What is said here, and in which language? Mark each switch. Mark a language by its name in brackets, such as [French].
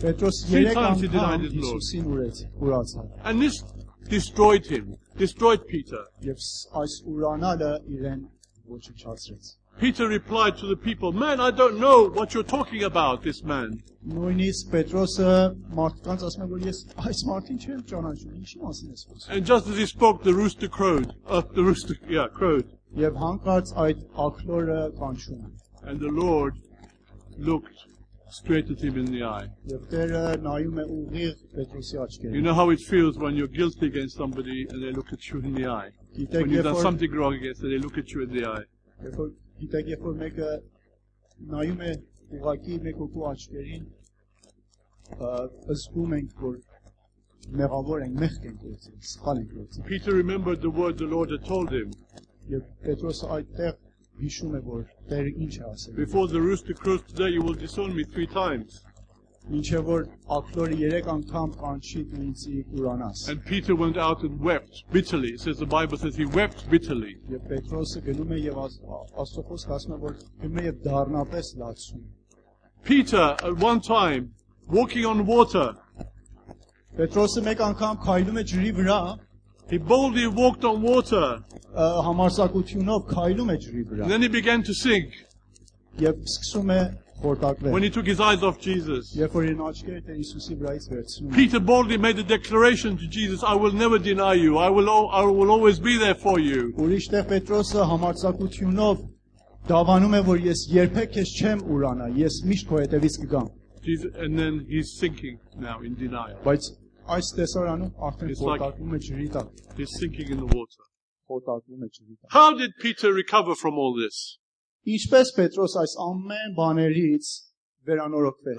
[Armenian] Պետրոս երեք անգամ [English] denied his Lord. [Armenian] Հիսուսին ուրացավ։ [English] And this destroyed him. Destroyed Peter. [Armenian] Եվ այս ուրանալը իրեն ոչնչացրեց։ [English] Peter replied to the people, "Man, I don't know what you're talking about, this man." [Armenian] Նույնիսկ Պետրոսը մարդկանց ասում է, որ ես այս մարդին չեմ ճանաչում, ինչի մասին ես խոսում։ [English] And just as he spoke, the rooster crowed. Crowed. [Armenian] Եվ հանկարծ այդ աղլորը կանչում է։ [English] And the Lord looked straight at him in the eye. [Armenian] Եվ Տերը նայում է ուղիղ Պետրոսի աչքերին։ [English] You know how it feels when you're guilty against somebody and they look at you in the eye. When you've done something wrong against them, they look at you in the eye. [Armenian] Գիտեք, երբ որ մեկը նայում է ուղակի մեկ օկու աչքերին, ասում ենք, որ մեղավոր ենք, մեղք ենք գործել, սխալ ենք գործել։ [English] Peter remembered the word the Lord had told him. [Armenian] Եվ Պետրոսը այդտեղ հիշում է, որ Տերը ինչ է ասել։ [English] Before the rooster crows today, you will disown me 3 times. [Armenian] Ինչեւ որ աղլորը 3 անգամ կանչի դինցի ուրանաս։ [English] And Peter went out and wept bitterly. It says the Bible says he wept bitterly. [Armenian] Եվ Պետրոսը գնում է եւ Աստծո խոսքը ասում է, որ գնում է եւ դառնապես լացում։ [English] Peter at one time walking on water [Armenian] Պետրոսը մեկ անգամ քայլում է ջրի վրա. [English] He boldly walked on water. [Armenian] Համարձակությունով քայլում է ջրի վրա. [English] Then he began to sink. [Armenian] Եվ սկսում է խորտակվել. [English] When he took his eyes off Jesus. [Armenian] Երբ որ իրեն աչքերը դեռ Հիսուսի վրայից վերցնում է. [English] Peter boldly made a declaration to Jesus, I will never deny you. I will always be there for you. [Armenian] Ուրիշտեղ Պետրոսը համարձակությունով դավանում է, որ ես երբեք քեզ չեմ ուրանա, ես միշտ քո հետևից կգամ. [English] Jesus, and then he's sinking now in denial. But [Armenian] այս տեսարանում արդեն խորտակվում է ջրի տակ. [English] He's sinking in the water. [Armenian] Խորտակվում է ջրի տակ. [English] How did Peter recover from all this? [Armenian] Ինչպես Պետրոս այս ամեն բաներից վերանորոգվեց.